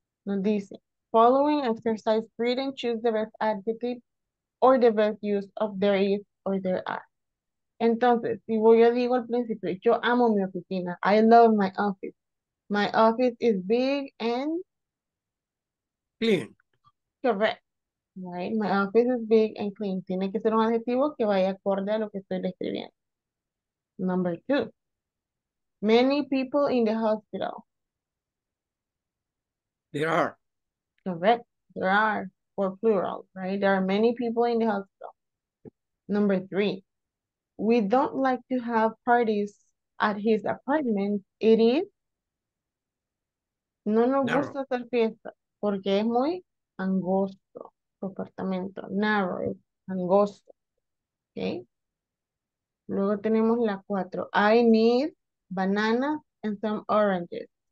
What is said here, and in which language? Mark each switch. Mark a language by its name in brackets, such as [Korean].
[Spanish] Nos dice, [English] following exercise, read and choose the best adjective or the best use of there is or there are. [Spanish] Entonces, si voy yo digo al principio, yo amo mi oficina. [English] I love my office. My office is big and clean. Correct. Right, my office is big and clean. [Spanish] Tiene que ser un adjetivo que vaya acorde a lo que estoy describiendo. [English] Number 2. Many people in the hospital. There are. Correct. There are, for plural, right? There are many people in the hospital. Number 3. We don't like to have parties at his apartment. It is. [Spanish] No nos gusta hacer fiesta porque es muy angosto. Apartamento, narrow, angosto. Okay. Luego tenemos la 4. [English] I need bananas and some oranges.